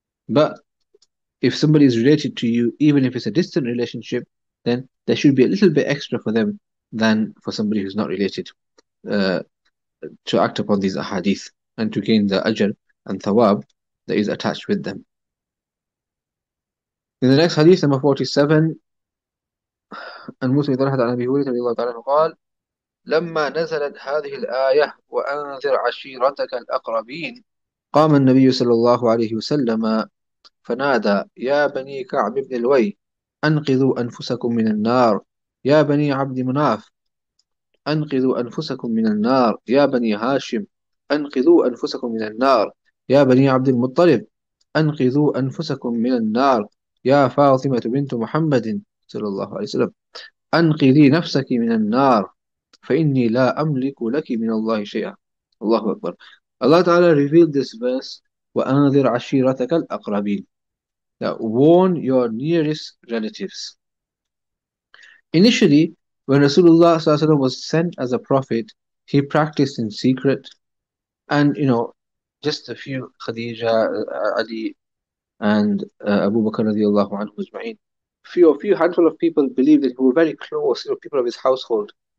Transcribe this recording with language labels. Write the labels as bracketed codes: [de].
[en] But if somebody is related to you, even if it's a distant relationship, then there should be a little bit extra for them than for somebody who's not related, to act upon these ahadith and to gain the ajr and thawab that is attached with them. In the next hadith, number 47, and Musa ibn Hadar Nabi Hurri, Allah Ta'ala, [ar] قال لما نزلت هذه الآية وأنذر عشيرتك الأقربين قام النبي صلى الله عليه وسلم فنادى يا بني كعب بن الوي أنقذوا أنفسكم من النار يا بني عبد مناف أنقذوا أنفسكم من النار يا بني هاشم، أنقذوا أنفسكم من النار يا بني عبد المطلب، أنقذوا أنفسكم من النار يا فاطمة بنت محمد صلى الله عليه وسلم، أنقذي نفسك من النار فإني لا أملك لك من الله شيئا. الله أكبر. الله تعالى [en] revealed this verse: [ar] وأنذر عشيرتك الأقربين. [en] Now, warn your nearest relatives. Initially, when Rasulullah was sent as a prophet, he practiced in secret, and you know, just a few Khadija, Ali, and Abu Bakr radiallahu anhu ajma'in, few handful of people believed that he were very close, you know, people of his household.